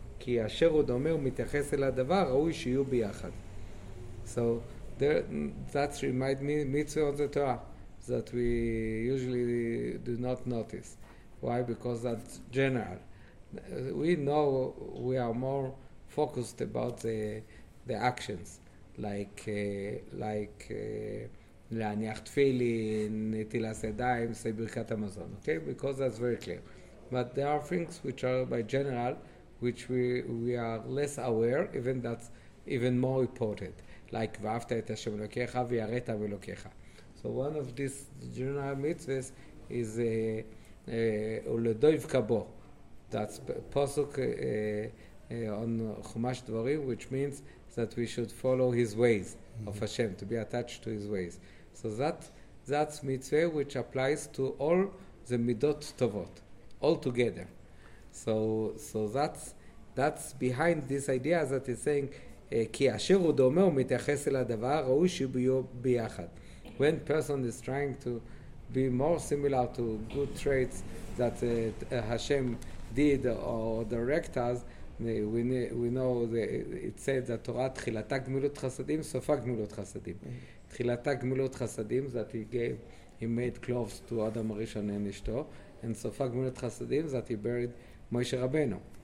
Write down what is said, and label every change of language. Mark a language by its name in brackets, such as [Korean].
[Hebrew] כי אשר הוא דומה ומתייחס אל הדבר, ראוי שיהיו ביחד. [English] So, that reminds me mitzvah of the Torah, that we usually do not notice. Why? Because that's general. We know we are more focused about the actions, like להניח תפילין, נטילת ידיים, say ברכת המזון, okay? Because that's very clear. But there are things which are by general, which we are less aware, even that's even more important, like [Hebrew] ואהבת את השם אלוקיך ויראת מאלוקיך. [English] So one of these general mitzvahs is ולדויב כבו. That's posuk on Chumash Dvarim, which means that we should follow his ways of Hashem, to be attached to his ways. So that's mitzvah which applies to all the midot tovot, all together. So that's behind this idea that he's saying [Hebrew] כי אשר הוא דומה ומתייחס אל הדבר ראוי שיהיו ביחד. [English] When person is trying to be more similar to good traits that Hashem did or direct us, we know it said that Torah [Hebrew] תחילתה גמילות חסדים, סופה גמילות חסדים. תחילתה גמילות חסדים, [English] that he made clothes to Adam הראשון and אשתו, and [Hebrew] סופה גמילות חסדים, [English] that he buried Moshe Rabbeinu.